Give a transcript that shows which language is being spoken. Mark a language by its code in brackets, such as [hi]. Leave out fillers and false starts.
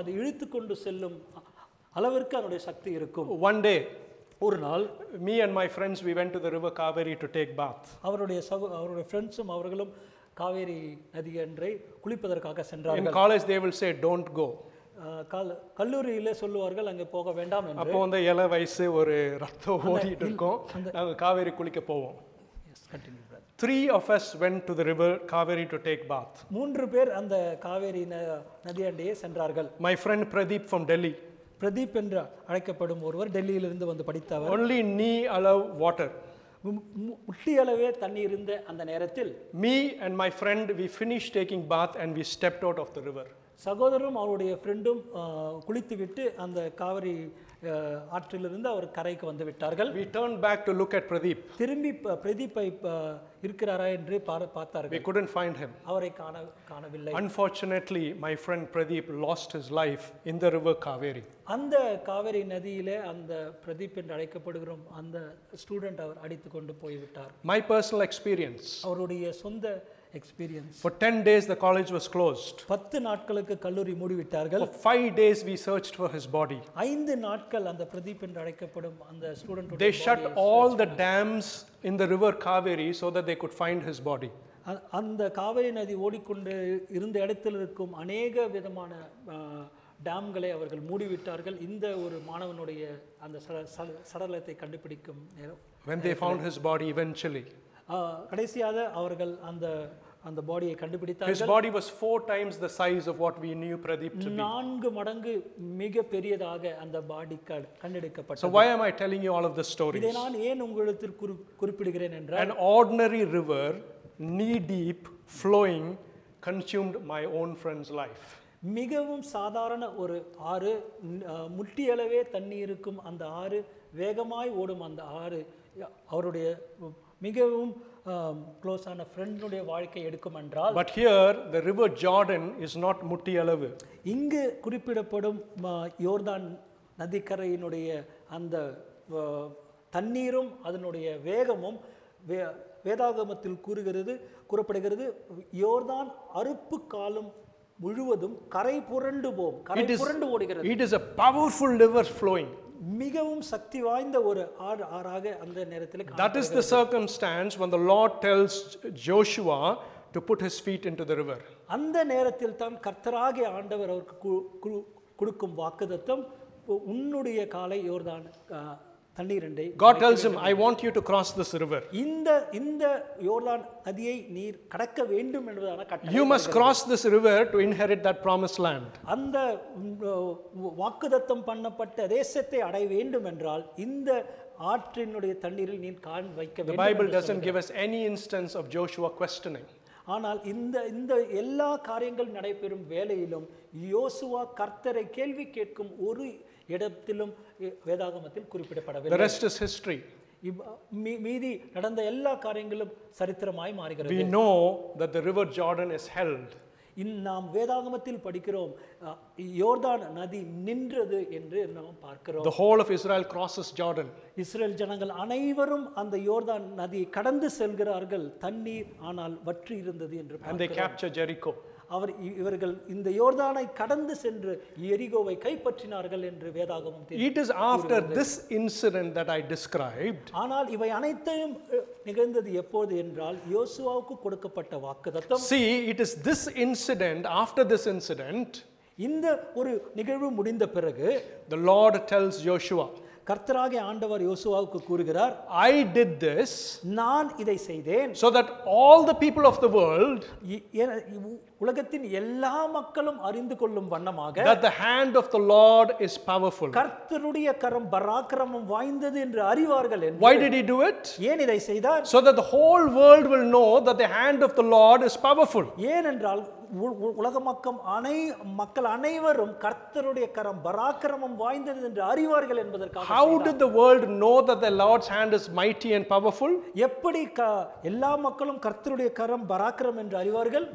[ta] அது இழுத்து கொண்டு செல்லும் அளவிற்கு அதனுடைய சக்தி இருக்கும். [en] One day, [ta] ஒரு நாள், [en] me and my friends, we went to the river Kaveri to take bath. [ta] அவருடைய friendsம் அவர்களும் காவேரி நதி அன்றே குளிப்பதற்காக சென்றார்கள். [en] In college they will say don't go. [ta] கல்லூரியில சொல்லுவார்கள் அங்க போக வேண்டாம் என்று. அப்போ அந்த இளம் வயசு ஒரு ரத்தம் ஓடிட்டு இருக்கும். நாங்க காவேரி குளிக்க போவோம். [en] Yes, continue. Three of us went to the river Kaveri to take bath. [ta] 3 பேர் அந்த காவேரி நதி அன்றே சென்றார்கள். [en] My friend Pradeep from Delhi. [ta] Pradeep என்று அழைக்கப்படும் ஒருவர் டெல்லியிலிருந்து வந்து படித்தவர். [en] Only knee allow water. [ta] முட்டி அளவே தண்ணீர் இருந்த அந்த நேரத்தில் [en] me and my friend we finished taking bath and we stepped out of the river. [ta] சகோதரரும் அவருடைய ஃப்ரெண்டும் குளித்துவிட்டு அந்த காவிரி ஆற்றிலிருந்து அவர் கரைக்கு வந்து விட்டார்கள். [en] We turned back to look at Pradeep. [ta] திரும்பி பிரதீப்பை இருக்கிறாரா என்று பார்த்தார்கள். [en] We couldn't find him. [ta] அவரை காணவில்லை. [en] Unfortunately, my friend Pradeep lost his life in the river Kaveri. [ta] அந்த காவிரி நதியிலே அந்த பிரதீப் என்று அழைக்கப்படுகிறோம் அந்த ஸ்டூடண்ட் அவர் அடித்து கொண்டு போய்விட்டார். [en] My personal experience. [ta] அவருடைய சொந்த experience. [en] For 10 days the college was closed. [ta] 10 நாட்களுக்கு கல்லூரி மூடிவிட்டார்கள். [en] For 5 days we searched for his body. [ta] 5 நாட்கள் அந்த பிரதீப் என்று அழைக்கப்படும் அந்த student [en] They shut all the dams in the river Kaveri so that they could find his body. [ta] அந்த காவிரி நதி ஓடிக்கொண்டு இருந்த இடத்தில் இருக்கும் अनेक விதமான டாம்களை அவர்கள் மூடிவிட்டார்கள் இந்த ஒரு மாணவனுடைய அந்த சடலத்தை கண்டுபிடிக்கும் நேரம். [en] When they found his body eventually. [ta] கடைசியாக அவர்கள் அந்த அந்த பாடியை கண்டுபிடித்தார்கள். [en] His body was 4 times the size of what we knew Pradeep to be. [ta] நான்கு மடங்கு மிக பெரியதாக அந்த பாடி கண்டெடுக்கப்பட்டது. [en] So why am I telling you all of the stories? [ta] இதை நான் ஏன் உங்களுக்கு குறிப்பிடுகிறேன் என்றால் [en] An ordinary river knee deep flowing consumed my own friend's life. [ta] மிகவும் சாதாரண ஒரு ஆறு முட்டியளவே தண்ணி இருக்கும் அந்த ஆறு வேகமாய் ஓடும் அந்த ஆறு அவருடைய மிகவும் க்ளோஸ் ஆன ஃப்ரெண்டுடைய வாழ்க்கை எடுக்கும் என்றால் [en] but here the river Jordan is not [ta] முட்டியளவு இங்கு குறிப்பிடப்படும் யோர்தான் நதிக்கரையினுடைய அந்த தண்ணீரும் அதனுடைய வேகமும் வேதாகமத்தில் கூறப்படுகிறது யோர்தான் அறுப்பு காலம் முழுவதும் கரை புரண்டு போகும் கரை புரண்டு ஓடுகிறது [en] it is a powerful river flowing [ta] மிகவும் சக்தி வாய்ந்த ஒரு ஆறாக அந்த நேரத்தில் [en] That is the circumstance when the Lord tells Joshua to put his feet into the river. [ta] அந்த நேரத்தில் தான் கர்த்தராகிய ஆண்டவர் அவருக்கு கொடுக்கும் வாக்குத்தத்தம் உன்னுடைய காலை யோர்தான் தண்ணீரண்டை [en] God tells him I want you to cross this river. [ta] இந்த யோர்தான் நதியை நீர் கடக்க வேண்டும் என்பதான கட்டளை. [en] You must cross this river to inherit that promised land. [ta] அந்த வாக்குத்தத்தம் பண்ணப்பட்ட தேசத்தை அடைய வேண்டும் என்றால் இந்த ஆற்றினுடைய தண்ணீரில் நீர் கால் வைக்க வேண்டும். [en] The Bible doesn't give us any instance of Joshua questioning. [ta] ஆனால் இந்த எல்லா காரியங்கள் நடைபெறும் வேளையிலும் யோசுவா கர்த்தரை கேள்வி கேட்கும் ஒரு இடத்திலும் வேதாகமத்தில் குறிப்பிடப்படவில்லை. [en] The rest is history. [ta] மீதி நடந்த எல்லா காரியங்களும் சரித்திரமாய் மாறுகிறது. [en] We know that the river Jordan is held. [ta] நாம் வேதாகமத்தில் படிக்கிறோம் யோர்தான் நதி நின்றது என்று நாம் பார்க்கிறோம். [en] The whole of Israel crosses Jordan. [ta] Israel ஜனங்கள் அனைவரும் அந்த யோர்தான் நதியை கடந்து செல்கிறார்கள் தண்ணீர் ஆனால் வற்றி இருந்தது என்று பார்க்கிறோம். [en] And they capture Jericho. [ta] இவர்கள் இந்த யோர்தானை கடந்து சென்று எரிகோவை கைப்பற்றினார்கள் என்று வேதாகமம் [en] It is after this incident that I described. [ta] ஆனால் இவை அனைத்தையும் நிகழ்ந்தது எப்போது என்றால் யோசுவாவுக்கு கொடுக்கப்பட்ட வாக்குத்தத்தம் [en] See it is this incident after this incident. [ta] இந்த ஒரு நிகழ்வு முடிந்த பிறகு [en] The Lord tells Joshua. [ta] கர்த்தராகிய ஆண்டவர் யோசுவாவுக்கு கூறுகிறார் [en] I did this [ta] நான் இதை செய்தேன் [en] so that all the people of the world [ta] உலகத்தின் எல்லா மக்களும் அறிந்து கொள்ளும் வண்ணமாக [en] that the hand of the Lord is powerful [ta] கர்த்தருடைய கரம் பராக்கிரமம் வாய்ந்தது என்று அறிவார்கள் என்று [en] Why did he do it? [ta] ஏன் இதை செய்தார்? [en] So that the whole world will know that the hand of the Lord is powerful. [ta] ஏனென்றால் மக்கள் அனைவரும் கர்த்தருடைய கரம் பராக்கிரமம் வாய்ந்தது என்று அறிவார்கள் என்பதற்காக [en] How did the world know that the Lord's hand is mighty and powerful? [ta] எப்படி எல்லா மக்களும் கர்த்தருடைய கரம் பராக்கிரமம் என்று அறிவார்கள்?